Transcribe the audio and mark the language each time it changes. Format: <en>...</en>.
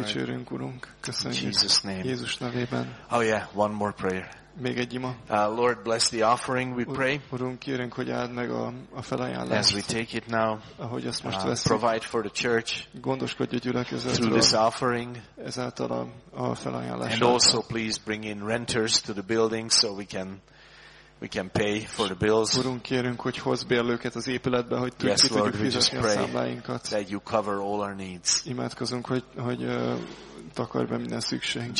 <hu>Dicsérünk, Urunk. Köszönjük.</hu> <en>Jesus name.</en> <hu>Jézus nevében.</hu> <en>Oh yeah, one more prayer.</en> <hu>Még egy ima.</hu> <en>Lord, bless the offering, we pray.</en> <hu>Urunk, kérünk, hogy áld meg a felajánlást.</hu> <en>As we take it now,</en> <hu>ahogy ezt most veszünk,</hu> <en>provide for the church.</en> <hu>Gondoskodj a gyülekezetről.</hu> <en>Through this offering.</en> <hu>Ezáltal a felajánlás.</hu> <en>And also, please bring in renters to the building so we can pay for the bills.</en> <hu>Urunk, kérünk, hogy hozz bérlőket az épületbe, hogy</hu> <en>yes,</en> <hu>ki</hu> <en>Lord,</en> <hu>tudjuk fizetni</hu> <en>pray</en> <hu>a számláinkat.</hu> <en>That you cover all our needs.</en> <hu>Imádkozunk, hogy takarj be minden szükségünket.</hu>